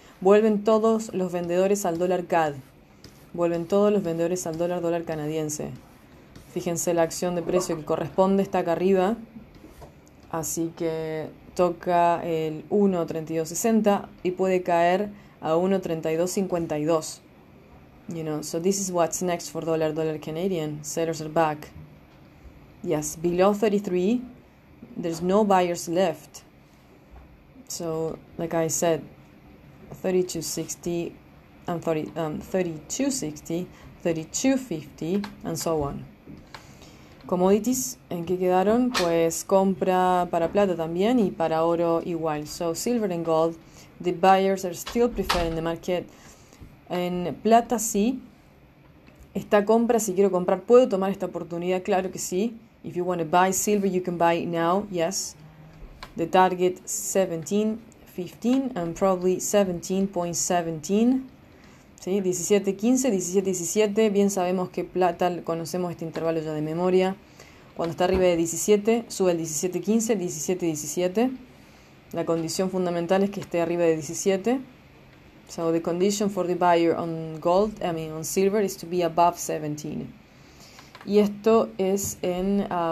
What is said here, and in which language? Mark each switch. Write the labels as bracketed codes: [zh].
[es] Vuelven todos los vendedores al dólar CAD. Vuelven todos los vendedores al dólar canadiense. Fíjense la acción de precio que corresponde, está acá arriba. Así que toca el 1.3260 y puede caer a 1.3252. [en] You know, so this is what's next for dollar Canadian. Sellers are back. Yes, below 33, there's no buyers left. So, like I said, 3260, 3250, and so on. [es] Commodities, ¿en qué quedaron? Pues compra para plata también y para oro igual. [en] So, silver and gold, the buyers are still preferring the market. [es] En plata sí, esta compra, si quiero comprar, ¿puedo tomar esta oportunidad? Claro que sí. [en] If you want to buy silver, you can buy now, yes. The target 17.15 and probably 17.17. ¿Sí? [es] 17.15, 17.17. Bien sabemos que plata, conocemos este intervalo ya de memoria. Cuando está arriba de 17, sube el 17.15, 17.17. La condición fundamental es que esté arriba de 17. [en] So the condition for the buyer on gold, I mean on silver, is to be above 17. [es] Y esto es en...